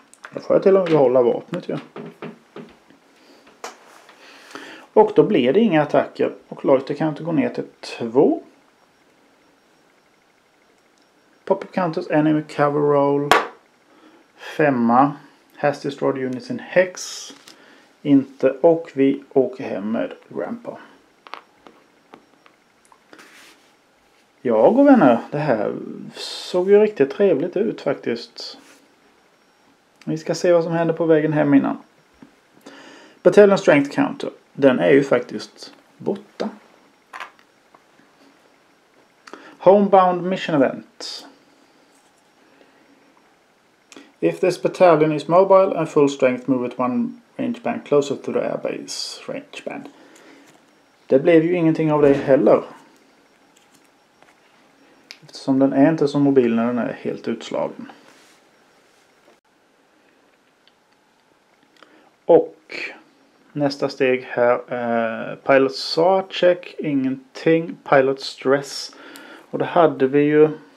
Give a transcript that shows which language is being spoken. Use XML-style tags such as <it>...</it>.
<sv>Då får jag till och med hålla vapnet ju. Och då blir det inga attacker. Och Lloyd kan inte gå ner till 2.</sv> <en>Pop-up counters, enemy cover roll. 5. Has destroyed units in hex.</en> <sv>Inte. Och vi åker hem med Grandpa. Ja, god vänner. Det här såg ju riktigt trevligt ut faktiskt. Vi ska se vad som händer på vägen hem innan.</sv> <en>Battalion strength counter.</en> <sv>Den är ju faktiskt borta.</sv> <en>Homebound mission event. If this battalion is mobile and full strength, move it one range band closer to the airbase range band.</en> <sv>Det blev ju ingenting av det heller. Eftersom den är inte så mobil när den är helt utslagen. Och nästa steg här. Pilot SAR check. Ingenting. Pilot stress. Och det hade vi ju.</sv>